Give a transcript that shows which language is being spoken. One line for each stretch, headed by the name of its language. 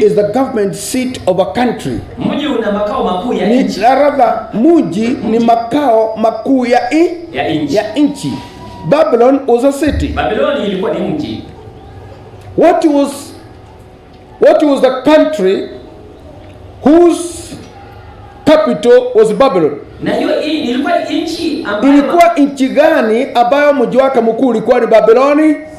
English: is the government seat of a country.
Swahili: Mji una makao makuu ya nchi. Mji ni makao makuu ya nchi. Ya
English: nchi. Babylon was a city.
Swahili: Babylon ilikuwa ni mji.
English: What was the country whose capital was Babylon?
Swahili: Na hiyo ilikuwa nchi ambayo ilikuwa nchi gani ambayo mji wake mkuu ulikuwa ni Babyloni?